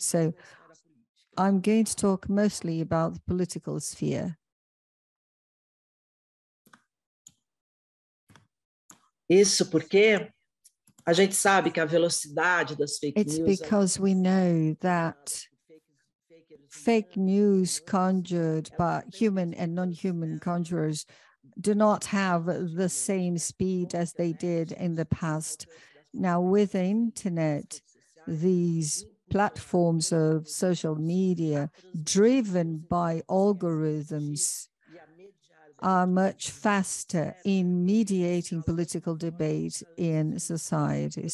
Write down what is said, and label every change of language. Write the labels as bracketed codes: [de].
[en] So I'm going to talk mostly about the political sphere. [pt] Isso porque a gente sabe que a velocidade das fake news. [en] It's because we know that fake news conjured by human and non-human conjurers do not have the same speed as they did in the past. Now, with the internet, these platforms of social media driven by algorithms are much faster in mediating political debate in society.